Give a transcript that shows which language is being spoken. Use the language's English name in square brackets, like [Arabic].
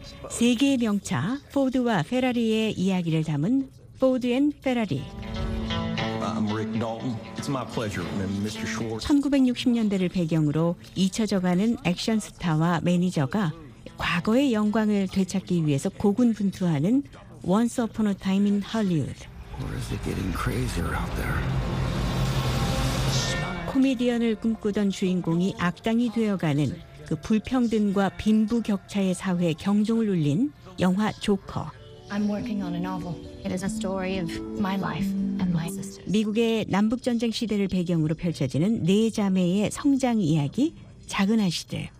[Korean] 세계의 명차 포드와 페라리의 이야기를 담은 포드 앤 페라리. [English] I'm Rick Dalton. It's my pleasure, Mr. Schwartz. [Korean] 1960년대를 배경으로 잊혀져가는 액션 스타와 매니저가 과거의 영광을 되찾기 위해서 고군분투하는 [English] Once Upon a Time in Hollywood. Or is it getting crazier out there? [Korean] 코미디언을 꿈꾸던 주인공이 악당이 되어가는 그 불평등과 빈부 격차의 사회에 경종을 울린 영화 조커. [English] I'm working on a novel. It is a story of my life. [Korean] 미국의 남북전쟁 시대를 배경으로 펼쳐지는 네 자매의 성장 이야기, 작은 아시들.